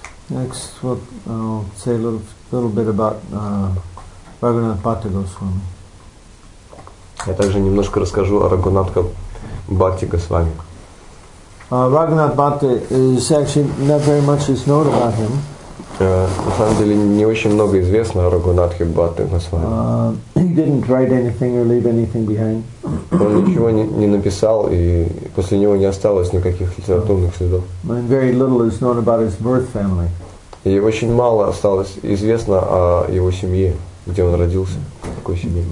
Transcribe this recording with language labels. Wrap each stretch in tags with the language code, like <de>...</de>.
<en>Next, I'll say a little bit about Raghunath Bhatta Goswami.</en> <ru>Я также немножко расскажу о Рагунатха Бхатте Госвами.</ru> <en>Raghunath Bhatta is actually not very much is known about him.</en> <ru>На самом деле не очень много известно о Рагунатхе Бхатте Госвами.</ru> <en>He didn't write anything or leave anything behind.</en> <ru>Он ничего не написал, и после него не осталось никаких литературных следов.</ru> <en>And very little is known about his birth family.</en> <ru>И очень мало осталось известно о его семье. Где он родился, в какой семье.</ru>